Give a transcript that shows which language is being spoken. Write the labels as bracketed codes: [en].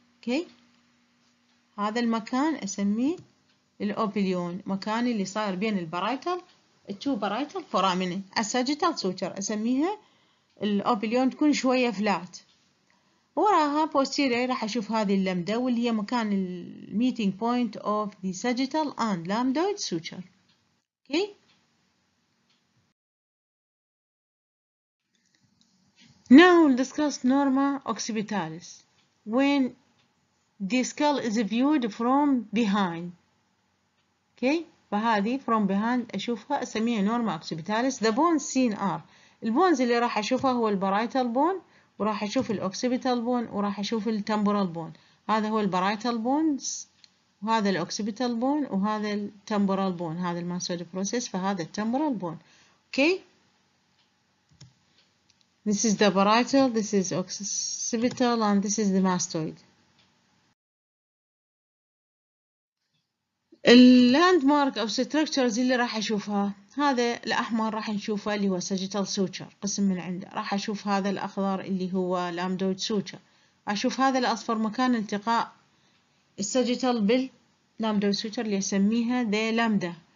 [ar] اوكي، هذا المكان اسميه الاوبليون، مكان اللي صاير بين البرايتال التو برايتال فورامين، الساجيتال سوتشر اسميها الاوبليون، تكون شوية فلات. وراها بوستيريا راح اشوف هذه اللمدة، واللي هي مكان [en] الميتينج point of the sagittal and lambdoid suture. Okay, now we'll discuss norma occipitalis. when The skull is viewed from behind. Okay, [ar] فهذه [en] from behind [ar] أشوفها أسميها [en] normal occipitalis. The bones seen are. [ar] البونز اللي راح أشوفها هو البرايتال بون، وراح أشوف الأوكسيبيتال بون، وراح أشوف التمبورال بون. هذا هو البرايتال بونز، وهذا الأوكسيبيتال بون، وهذا التمبورال بون. هذا الماسويد بروسيس، فهذا التمبورال بون. [en] Okay. This is the parietal, this is occipital, and this is the mastoid. [ar] اللاندمارك أو structures اللي راح أشوفها، هذا الأحمر راح نشوفه اللي هو sagittal suture، قسم من عنده. راح أشوف هذا الأخضر اللي هو lambdoid suture. أشوف هذا الأصفر مكان التقاء sagittal بال lambdoid suture اللي أسميها the lambda.